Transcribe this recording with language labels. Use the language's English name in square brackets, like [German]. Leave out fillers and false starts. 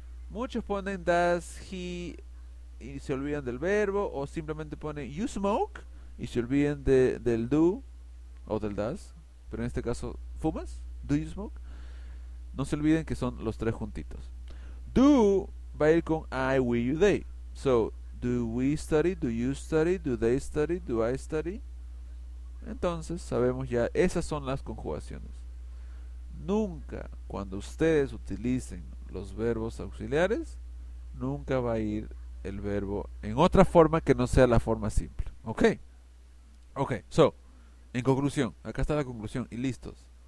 [Spanish] Muchos ponen [English] does he [Spanish] y se olvidan del verbo, o simplemente ponen [English] you smoke [Spanish] y se olvidan del do o del does. Pero en este caso, ¿fumas? [English] Do you smoke? [Spanish] No se olviden que son los tres juntitos. Do va a ir con I, we, you, they. [English] So, do we study, do you study, do they study, do I study. [Spanish] Entonces, sabemos ya, esas son las conjugaciones. Nunca, cuando ustedes utilicen los verbos auxiliares, nunca va a ir el verbo en otra forma que no sea la forma simple. ¿Ok? [English] Ok, so, [Spanish] en conclusión, acá está la conclusión y listos.